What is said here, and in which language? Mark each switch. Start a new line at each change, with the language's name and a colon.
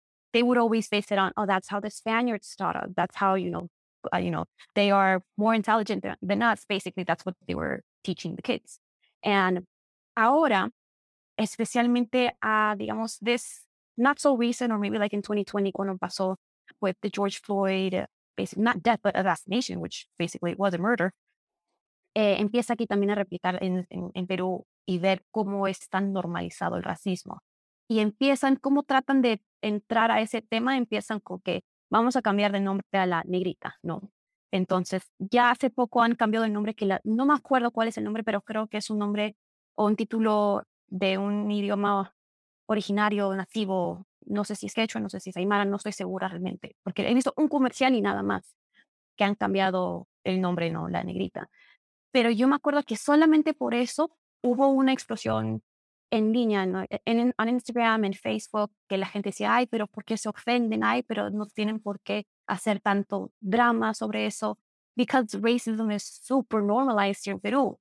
English: They would always base it on, oh, that's how the Spaniards taught us. That's how, they are more intelligent than us. Basically, that's what they were teaching the kids. And
Spanish: ahora, especialmente a, digamos,
English: this not so recent, or maybe like in 2020,
Spanish: cuando pasó
English: with the George Floyd, basically not death, but assassination, which basically was a murder.
Spanish: Empieza aquí también a replicar en Perú y ver cómo es tan normalizado el racismo. Y empiezan, cómo tratan de entrar a ese tema, empiezan con que vamos a cambiar de nombre a la negrita, ¿no? Entonces, ya hace poco han cambiado el nombre, no me acuerdo cuál es el nombre, pero creo que es un nombre o un título de un idioma originario, nativo, no sé si es quechua, no sé si es aymara, no estoy segura realmente, porque he visto un comercial y nada más que han cambiado el nombre, ¿no? La negrita. Pero yo me acuerdo que solamente por eso hubo una explosión en línea, ¿no? En Instagram, en Facebook, que la gente decía, ay, pero ¿por qué se ofenden? Ay, pero no tienen por qué hacer tanto drama sobre eso.
English: Because racism is super normalized here in Peru.